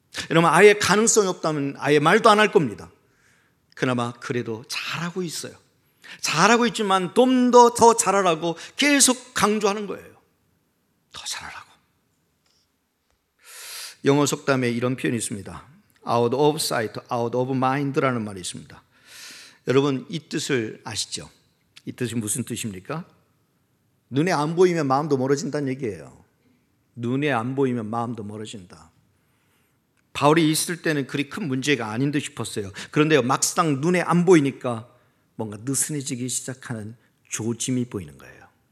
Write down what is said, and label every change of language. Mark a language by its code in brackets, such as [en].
[ko] 여러분 아예 가능성이 없다면 아예 말도 안 할 겁니다. 그나마 그래도 잘하고 있어요. 잘하고 있지만 좀 더 잘하라고 계속 강조하는 거예요. 더 잘하라고. 영어 속담에 이런 표현이 있습니다. [en] Out of sight, out of mind [ko] 라는 말이 있습니다. 여러분 이 뜻을 아시죠? 이 뜻이 무슨 뜻입니까? 눈에 안 보이면 마음도 멀어진다는 얘기예요. 눈에 안 보이면 마음도 멀어진다. 바울이 있을 때는 그리 큰 문제가 아닌 듯 싶었어요. 그런데요, 막상 눈에 안 보이니까 뭔가 느슨해지기 시작하는 조짐이 보이는 거예요.